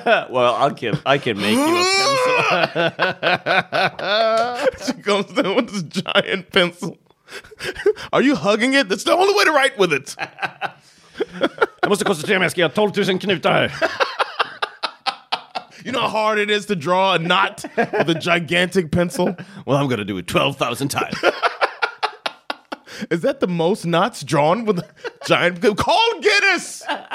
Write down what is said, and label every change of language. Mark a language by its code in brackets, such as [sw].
[en] Well, I can make you a pencil. She comes in with this giant pencil. Are you hugging it? That's the only way to write with it. [sv] Jag måste koncentrera mig. Jag ska göra 12 000 knutar här. [en] You know how hard it is to draw a knot with a gigantic pencil? Well, I'm going to do it 12,000 times. Is that the most knots drawn with a giant... Call Guinness!